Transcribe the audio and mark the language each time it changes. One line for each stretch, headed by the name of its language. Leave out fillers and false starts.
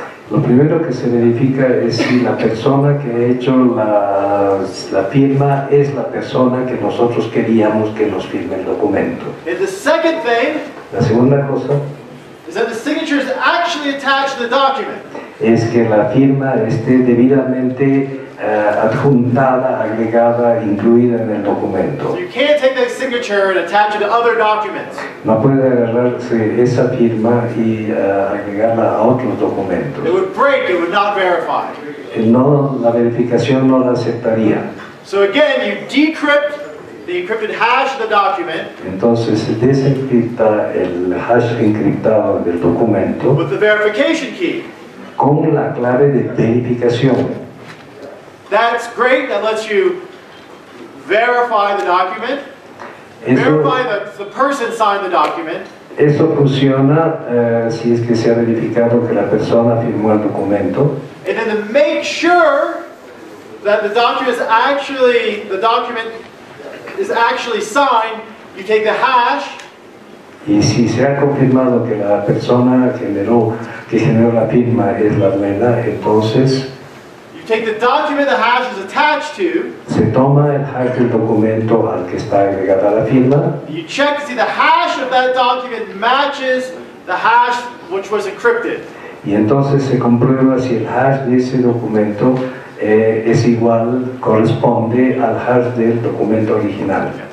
Spanish: Lo primero que se verifica es si la persona que ha hecho la firma es la persona que nosotros queríamos que nos firme el documento.
English: And the second thing,
Spanish: la segunda cosa,
English: is that the signature is actually attached to the document.
Spanish: Es que la firma esté debidamente adjuntada, agregada, incluida en el documento.
English: So you can't take that signature and attach it to other documents.
Spanish: No puede agarrarse esa firma y agregarla a otros documentos.
English: It would break, it would not verify.
Spanish: No, la verificación no la aceptaría.
English: So again, you decrypt the encrypted hash of the document.
Spanish: Entonces se desencripta el hash encriptado del documento.
English: With the verification key.
Spanish: Con la clave de verificación.
English: That's great. That lets you verify the document. Verify that the person signed the document.
Spanish: Eso funciona si es que se ha verificado que la persona firmó el documento.
English: And then to make sure that the document is actually signed, you take the hash.
Spanish: Y si se ha confirmado que la persona que generó la firma es la verdad, entonces
English: you take the document the hash is attached to.
Spanish: Se toma el hash del documento al que está agregada la firma.
English: You check to see the hash of that document matches the hash which was encrypted.
Spanish: Y entonces se comprueba si el hash de ese documento es igual, corresponde al hash del documento original.